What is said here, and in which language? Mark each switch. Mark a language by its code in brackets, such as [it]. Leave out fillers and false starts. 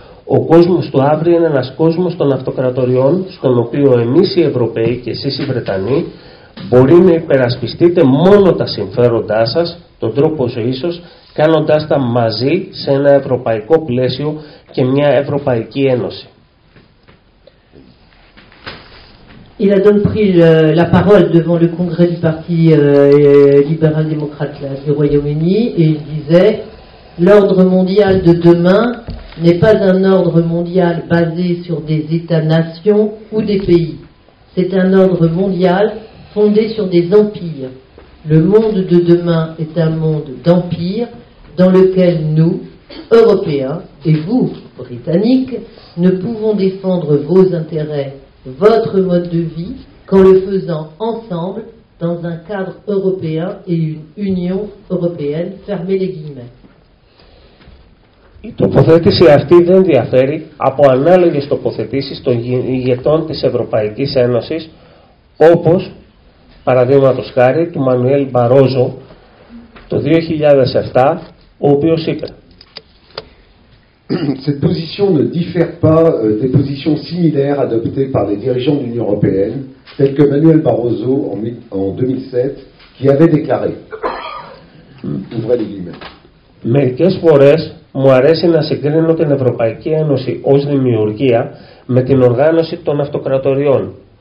[el] Ο κόσμος του αύριο είναι ένας κόσμος των αυτοκρατοριών, στον οποίο εμείς οι Ευρωπαίοι και εσείς οι Βρετανοί μπορεί να υπερασπιστείτε μόνο τα συμφέροντά σας, τον τρόπο ζωής σας, κάνοντάς τα μαζί σε ένα ευρωπαϊκό πλαίσιο και μια Ευρωπαϊκή Ένωση. [fr] Il a donc pris la parole devant le congrès du parti libéral-démocrate du Royaume-Uni et il disait « L'ordre mondial de demain n'est pas un ordre mondial basé sur des États-nations ou des pays. C'est un ordre mondial fondé sur des empires. Le monde de demain est un monde d'empires dans lequel nous, Européens, et vous, Britanniques, ne pouvons défendre vos intérêts votre mode de vie qu'en le faisant ensemble dans un cadre européen et une union européenne. Fermez les guillemets. [el] Η τοποθέτηση αυτή δεν διαφέρει από ανάλογες τοποθετήσεις των ηγετών της Ευρωπαϊκής Ένωσης, όπως παραδείγματος χάρη του Μανουέλ Μπαρόζο το 2007, ο οποίος είπε. [fr] Cette position ne diffère pas des positions similaires adoptées par les dirigeants de l'Union européenne, tels que Manuel Barroso en 2007, qui avait déclaré. Ouvrez les guillemets. [el] Μερικές φορές μου αρέσει να συγκρίνω την Ευρωπαϊκή Ένωση ως δημιουργία με την οργάνωση των αυτοκρατοριών.